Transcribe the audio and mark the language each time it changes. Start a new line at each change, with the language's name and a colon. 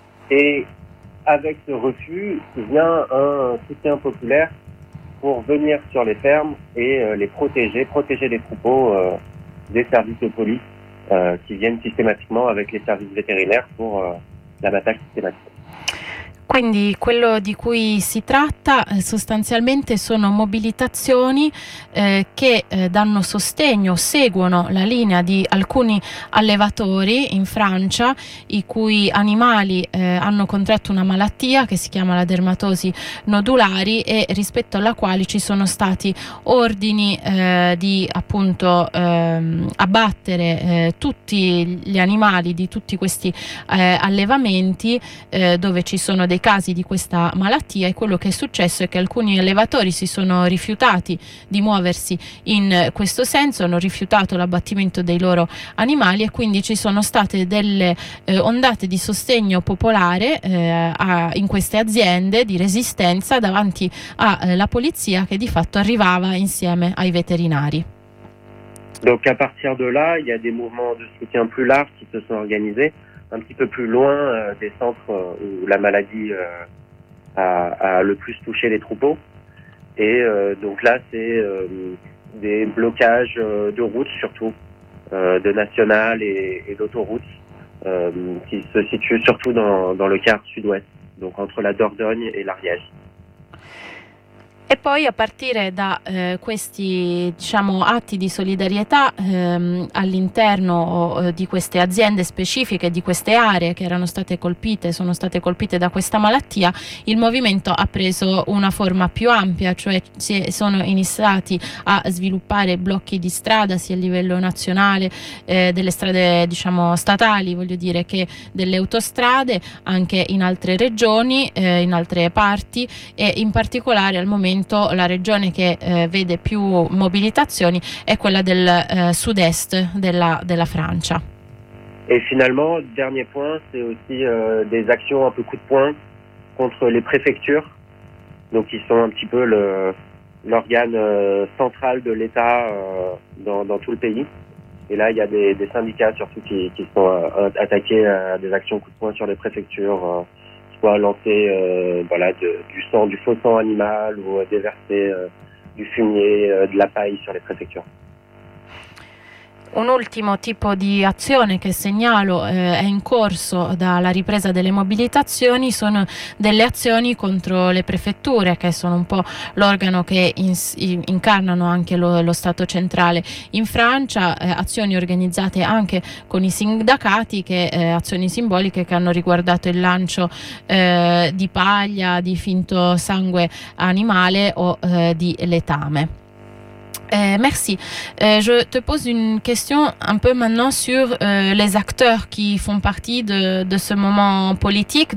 French: Et avec ce refus vient un soutien populaire pour venir sur les fermes et les protéger les troupeaux des services de police qui viennent systématiquement avec les services vétérinaires pour l'abattage systématique.
Italian: Quindi quello di cui si tratta sostanzialmente sono mobilitazioni che danno sostegno, seguono la linea di alcuni allevatori in Francia i cui animali hanno contratto una malattia che si chiama la dermatosi nodulari e rispetto alla quale ci sono stati ordini di appunto abbattere tutti gli animali di tutti questi allevamenti dove ci sono dei casi di questa malattia e quello che è successo è che alcuni allevatori si sono rifiutati di muoversi in questo senso, hanno rifiutato l'abbattimento dei loro animali e quindi ci sono state delle ondate di sostegno popolare in queste aziende di resistenza davanti alla polizia che di fatto arrivava insieme ai veterinari.
French: Donc à partir de là, il y a des mouvements de soutien plus large qui se sont organisés un petit peu plus loin des centres où la maladie a le plus touché les troupeaux. Et donc là, c'est des blocages de routes surtout, de nationales et d'autoroutes, qui se situent surtout dans le quart sud-ouest, donc entre la Dordogne et l'Ariège.
Italian: E poi a partire da questi diciamo, atti di solidarietà all'interno di queste aziende specifiche, di queste aree che erano state colpite, sono state colpite da questa malattia, il movimento ha preso una forma più ampia, cioè sono iniziati a sviluppare blocchi di strada sia a livello nazionale, delle strade diciamo, statali, voglio dire che delle autostrade, anche in altre regioni, in altre parti e in particolare al momento la regione che vede più mobilitazioni è quella del sud-est della Francia.
French: E finalement, dernier point, c'est aussi des actions un peu coup de poing contre les préfectures, donc qui sont un petit peu l'organe central de l'État dans tout le pays. Et là, il y a des syndicats surtout qui sont attaqués à des actions coup de poing sur les préfectures. Soit lancer du faux sang animal ou déverser du fumier, de la paille sur les préfectures.
Italian: Un ultimo tipo di azione che segnalo è in corso dalla ripresa delle mobilitazioni sono delle azioni contro le prefetture che sono un po' l'organo che incarnano anche lo Stato centrale in Francia, azioni organizzate anche con i sindacati che azioni simboliche che hanno riguardato il lancio di paglia, di finto sangue animale o di letame.
French: Merci. Je te pose une question un peu maintenant sur les acteurs qui font partie de ce moment politique.